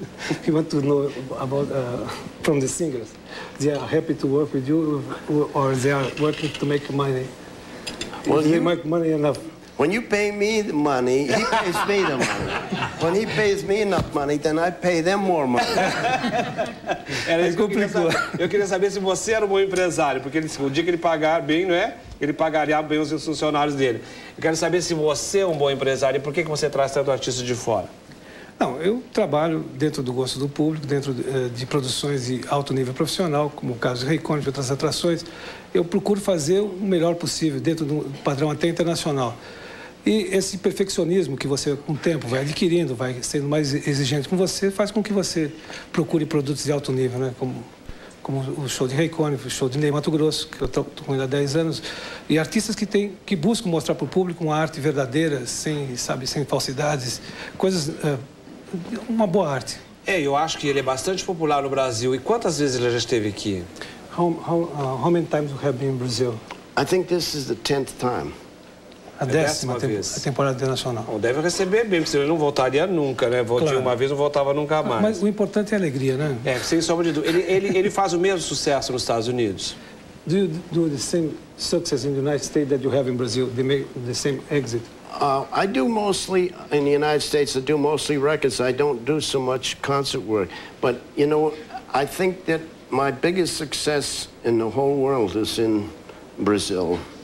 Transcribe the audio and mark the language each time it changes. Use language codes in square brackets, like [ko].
[en] If you want to know about from the singers, they are happy to work with you or they are working to make money. Well, they make money enough. When you pay me the money, he pays me the money. When he pays me enough money, then I pay them more money. [pt] Era isso que eu queria saber se você era um bom empresário, porque ele, o dia que ele pagar bem, não é? Ele pagaria bem os funcionários dele. Eu quero saber se você é um bom empresário e por que você traz tanto artista de fora? Não, eu trabalho dentro do gosto do público, dentro de produções de alto nível profissional, como o caso de Ray Conniff e outras atrações. Eu procuro fazer o melhor possível, dentro de um padrão até internacional. E esse perfeccionismo que você, com o tempo, vai adquirindo, vai sendo mais exigente com você, faz com que você procure produtos de alto nível, né? Como o show de Ray Conniff, o show de Ney Matogrosso, que eu estou com ele há 10 anos. E artistas que buscam mostrar para o público uma arte verdadeira, sem falsidades, coisas... uma boa arte. É, eu acho que ele é bastante popular no Brasil. E quantas vezes ele já esteve aqui? [en] How many times you have been in Brazil? I think this is the 10th time. [pt] A décima vez. A temporada internacional. Bom, deve receber bem, porque senão ele não voltaria nunca, né? Voltaria claro. Uma vez, não voltava nunca mais. Mas o importante é a alegria, né? É, sem sombra de dúvida. Ele faz o mesmo sucesso nos Estados Unidos. [en] Do you do the same success in the United States that you have in Brazil? They make the same exit? I do mostly in the United States. I do mostly records. I don't do so much concert work. But you know, I think that my biggest success in the whole world is in Brazil.